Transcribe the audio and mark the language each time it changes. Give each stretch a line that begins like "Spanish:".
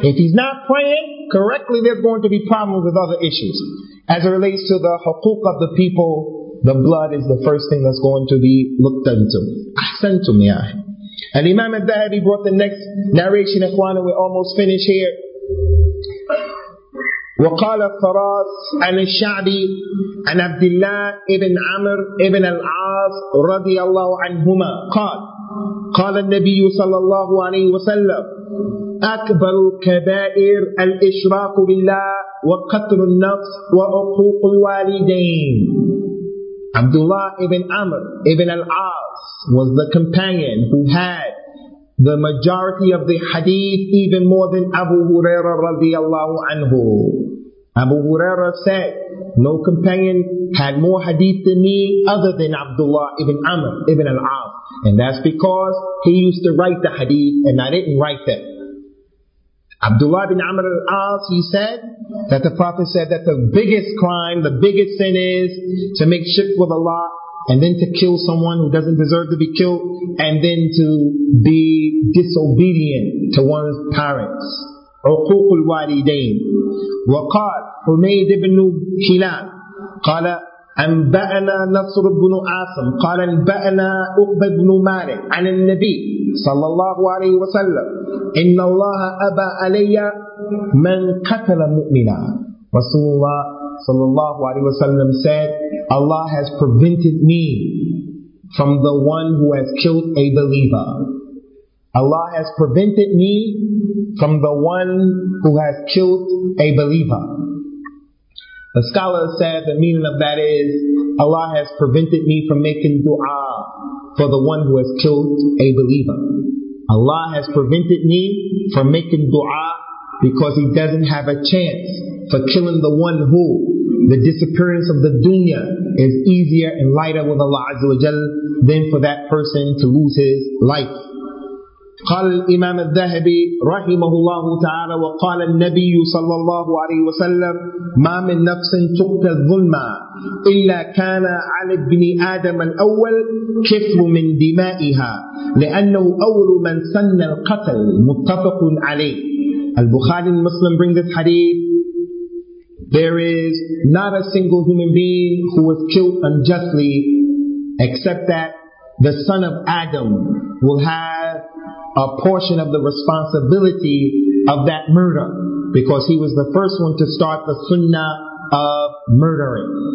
English: If he's not praying correctly, there's going to be problems with other issues. As it relates to the huquq of the people, the blood is the first thing that's going to be looked into. Ahsantum ya. And Imam al-Dhahabi brought the next narration, ikhwan, and we're almost finished here.
Arabic: وقال الثراث عن الشعبي عن عبد الله ابن عمر ابن العاص رضي الله عنهما قال قال النبي صلى الله عليه وسلم أكبر الكبائر الإشراك بالله وقتل النفس وعقوق الوالدين.
English: عبد الله ابن عمر ابن العاص was the companion who had the majority of the hadith, even more than Abu Huraira رضي الله عنه. Abu Huraira said, no companion had more hadith than me other than Abdullah ibn Amr ibn al-As. And that's because he used to write the hadith and I didn't write them. Abdullah ibn Amr al-As, he said that the Prophet said that the biggest crime, the biggest sin is to make shirk with Allah and then to kill someone who doesn't deserve to be killed and then to be disobedient to one's parents.
Arabic: عقوق الوالدين. وقال حميد بن هلال قال أنبأنا نصر بن عاصم قال أنبأنا عقبة بن مالك عن النبي صلى الله عليه وسلم إن الله أبى علي من قتل مؤمنا. رسول الله صلى الله عليه وسلم
English: said, Allah has prevented me from the one who has killed a believer. Allah has prevented me from the one who has killed a believer. The scholars said the meaning of that is, Allah has prevented me from making dua for the one who has killed a believer. Allah has prevented me from making dua because he doesn't have a chance for killing the one who the disappearance of the dunya is easier and lighter with Allah Azza wa Jalla than for that person to lose his life.
Arabic: قال الإمام الذهبي رحمه الله تعالى وقال النبي صلى الله عليه وسلم ما من نفس تقتل ظلما إلا كان على ابن آدم الأول كفر من دمائها لأنه أول من سن القتل. متفق عليه.
English: البخاري المسلم bring this hadith. There is not a single human being who was killed unjustly except that the son of Adam will have a portion of the responsibility of that murder, because he was the first one to start the sunnah of murdering.